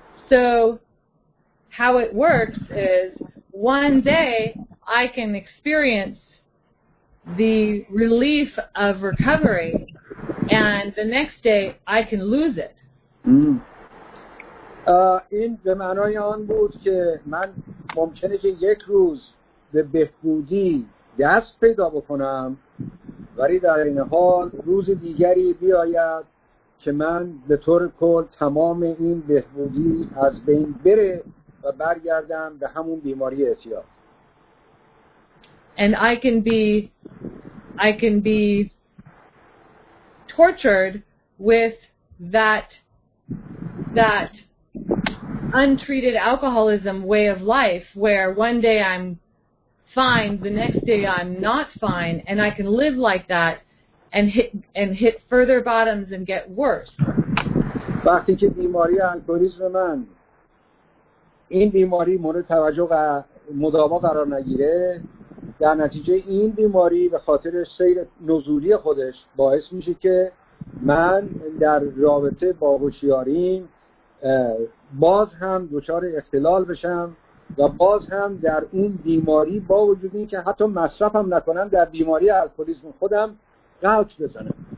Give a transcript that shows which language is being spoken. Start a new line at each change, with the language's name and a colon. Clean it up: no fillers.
English: So how it works is one day I can experience the relief of recovery and the next day I can lose it.
Persian: این به معنای آن بود که من ممکنه که یک روز به بهبودی دست پیدا بکنم ولی در این حال روز دیگری بیاید که من به طور کل تمام این بهبودی از بین بره و برگردم به همون بیماری اعتیاد.
English: And I can be tortured with that untreated alcoholism way of life, where one day I'm fine, the next day I'm not fine, and I can live like that and hit further bottoms and get worse.
Persian: وقتی که بیماری الکلیسم من این بیماری مورد توجه مداوا قرار نگیره، در نتیجه این بیماری به خاطر سیر نزولی خودش باعث میشه که من در رابطه با هوشیاریم باز هم دچار اختلال بشم و باز هم در اون بیماری با وجود این که حتی مصرفم نکنم در بیماری الکلیسم خودم غلط بزنم.